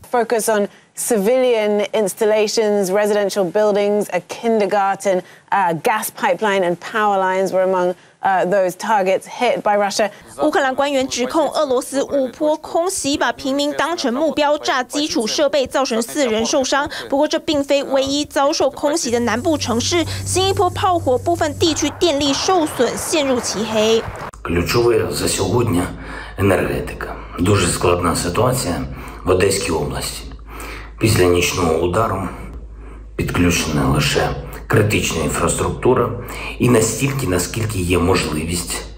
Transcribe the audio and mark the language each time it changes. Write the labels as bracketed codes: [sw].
[en] Focus on civilian installations, residential buildings, a kindergarten, gas pipeline, and power lines were among those targets hit by Russia. [zh] 乌克兰官员指控俄罗斯误泼空袭，把平民当成目标，炸基础设备，造成四人受伤。不过，这并非唯一遭受空袭的南部城市。新一波炮火，部分地区电力受损，陷入漆黑。 [uk] Ключове за сьогодні енергетика. Дуже складна ситуація в Одеській області. Після нічного удару підключена лише критична інфраструктура і настільки, наскільки є можливість.